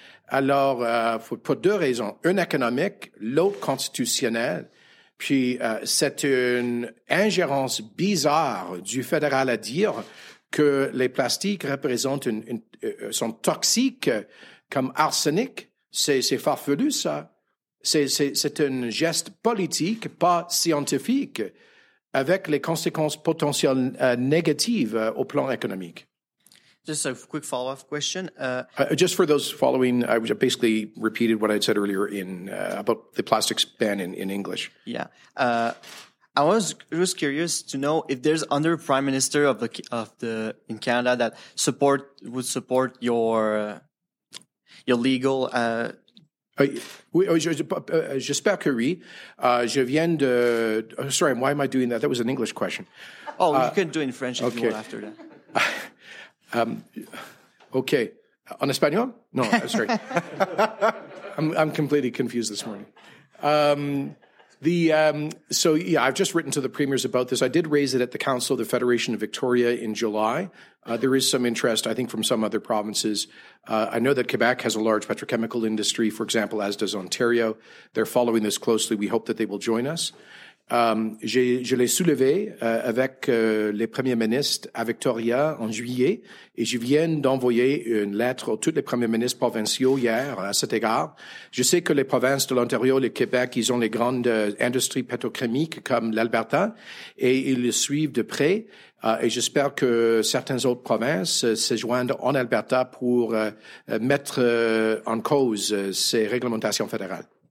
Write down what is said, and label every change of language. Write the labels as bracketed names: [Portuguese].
[French] Alors, pour deux raisons, une économique, l'autre constitutionnelle, puis c'est une ingérence bizarre du fédéral à dire que les plastiques représentent sont toxiques comme arsenic. C'est farfelu, ça. C'est un geste politique, pas scientifique, avec les conséquences potentielles négatives au plan économique. [English] Just a quick follow-up question. Just for those following, I basically repeated what I said earlier about the plastics ban in English. Yeah. I was just curious to know if there's under Prime Minister in Canada that would support your legal. [French] J'espère que oui. Je viens de. [English] Sorry, why am I doing that? That was an English question. Oh, you can do it in French if you want after that. Okay. [French] En espagnol? [English] No, sorry. I'm completely confused this morning. I've just written to the premiers about this. I did raise it at the Council of the Federation of Victoria in July. There is some interest, I think, from some other provinces. I know that Quebec has a large petrochemical industry, for example, as does Ontario. They're following this closely. We hope that they will join us. [French] Je l'ai soulevé avec les premiers ministres à Victoria en juillet, et je viens d'envoyer une lettre à tous les premiers ministres provinciaux hier à cet égard. Je sais que les provinces de l'Ontario et le Québec, ils ont les grandes industries pétrochimiques comme l'Alberta, et ils le suivent de près, et j'espère que certaines autres provinces se joignent en Alberta pour mettre en cause ces réglementations fédérales.